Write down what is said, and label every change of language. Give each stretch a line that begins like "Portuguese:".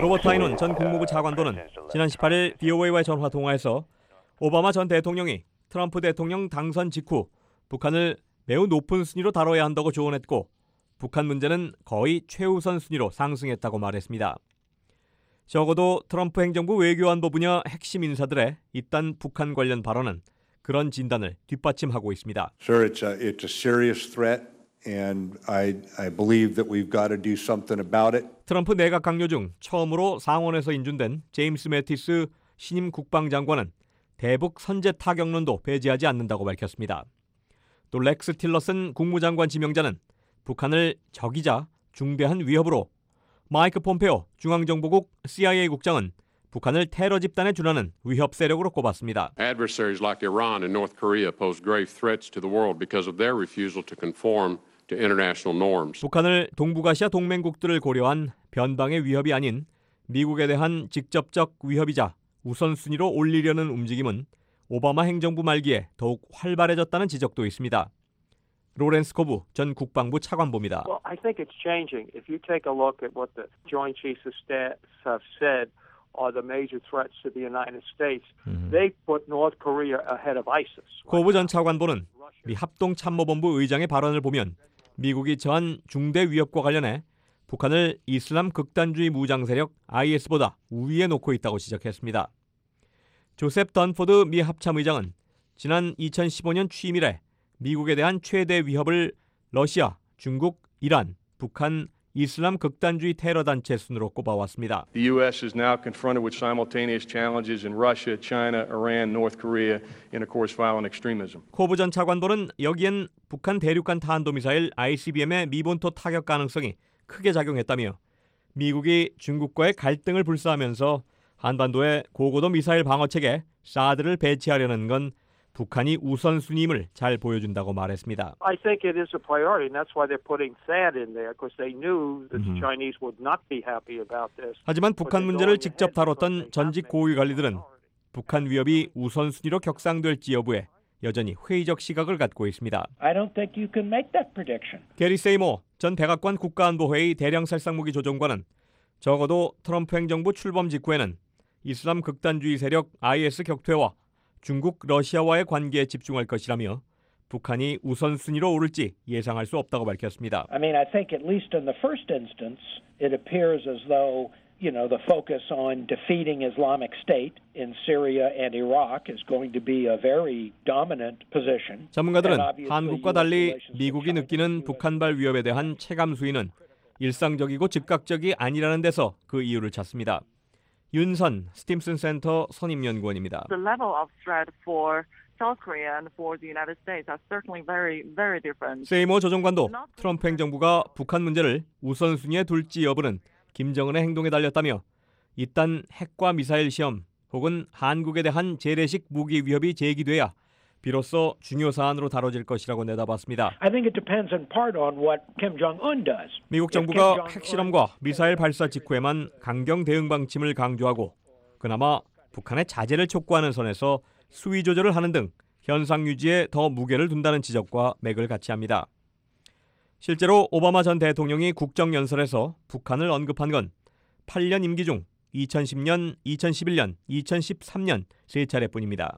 Korean: 로버트 하이논 전 국무부 차관도는 지난 18일 BOA와의 전화 통화에서 오바마 전 대통령이 트럼프 대통령 당선 직후 북한을 매우 높은 순위로 다뤄야 한다고 조언했고 북한 문제는 거의 최우선 순위로 상승했다고 말했습니다. 적어도 트럼프 행정부 외교안보 분야 핵심 인사들의 이딴 북한 관련 발언은 그런 진단을 뒷받침하고 있습니다.
English: Sure, it's a serious threat. And I believe that we've got to do something about it.
Korean: 트럼프 내각 강요 중 처음으로 상원에서 인준된 제임스 매티스 신임 국방장관은 대북 선제 타격론도 배제하지 않는다고 밝혔습니다. 또 렉스 틸러슨 국무장관 지명자는 북한을 적이자 중대한 위협으로, 마이크 폼페오 중앙정보국 CIA 국장은 북한을 테러 집단에 준하는 위협 세력으로 꼽았습니다.
English: Adversaries like Iran and North Korea pose grave threats to the world because of their refusal to conform to international norms.
Korean: 북한을 동북아시아 동맹국들을 고려한 변방의 위협이 아닌 미국에 대한 직접적 위협이자 우선순위로 올리려는 움직임은 오바마 행정부 말기에 더욱 활발해졌다는 지적도 있습니다. 로렌스 코브 전 국방부 차관보입니다.
English: Well, I think it's changing. If you take a look at what the Joint Chiefs of Staff have said, are the major threats to the United States. They put North Korea ahead of ISIS.
Korean: 코브 전 차관보는 미 합동참모본부 의장의 발언을 보면 미국이 처한 중대 위협과 관련해 북한을 이슬람 극단주의 무장세력 IS보다 우위에 놓고 있다고 지적했습니다. 조셉 던포드 미 합참의장은 지난 2015년 취임 이래 미국에 대한 최대 위협을 러시아, 중국, 이란, 북한, 이슬람 극단주의 테러 단체 순으로 꼽아왔습니다.
English: The U.S. is now confronted with simultaneous challenges in Russia, China, Iran, North Korea, and of course, violent extremism.
Korean: 코브 전 차관보는 여기엔 북한 대륙간 탄도미사일 ICBM의 미본토 타격 가능성이 크게 작용했다며 미국이 중국과의 갈등을 불사하면서 한반도에 고고도 미사일 방어체계 사드를 배치하려는 건 북한이 우선순위임을 잘 보여준다고 말했습니다.
English: I think it is a priority, and that's why they're putting THAAD in there, because they knew that the Chinese would not be happy about this.
Korean: 하지만 북한 문제를 직접 다뤘던 전직 고위 관리들은 북한 위협이 우선순위로 격상될지 여부에 여전히 회의적 시각을 갖고 있습니다.
English: I don't think you can make that prediction.
Korean: 게리 세이머 전 백악관 국가안보회의 대량살상무기 조정관은 적어도 트럼프 행정부 출범 직후에는 이슬람 극단주의 세력 IS 격퇴와 중국, 러시아와의 관계에 집중할 것이라며 북한이 우선순위로 오를지 예상할 수 없다고 밝혔습니다.
English: I mean, I think at least in the first instance, it appears as though, you know, the focus on defeating Islamic State in Syria and Iraq is going to be a very dominant position.
Korean: 전문가들은 한국과 달리 미국이 느끼는 북한발 위협에 대한 체감 수위는 일상적이고 즉각적이 아니라는 데서 그 이유를 찾습니다. 윤선 스팀슨 센터 선임 연구원입니다.
English: The level of threat for South Korea and for the United States are certainly very, very different.
Korean: 세이머 조정관도 트럼프 행정부가 북한 문제를 우선순위에 둘지 여부는 김정은의 행동에 달렸다며 이딴 핵과 미사일 시험 혹은 한국에 대한 재래식 무기 위협이 제기돼야 비로소 중요 사안으로 다뤄질 것이라고 내다봤습니다.
English: I think it depends in part on what Kim Jong-un does.
Korean: 미국 정부가 핵실험과 미사일 발사 직후에만 강경 대응 방침을 강조하고 그나마 북한의 자제를 촉구하는 선에서 수위 조절을 하는 등 현상 유지에 더 무게를 둔다는 지적과 맥을 같이 합니다. 실제로 오바마 전 대통령이 국정연설에서 북한을 언급한 건 8년 임기 중 2010년, 2011년, 2013년 세 차례뿐입니다.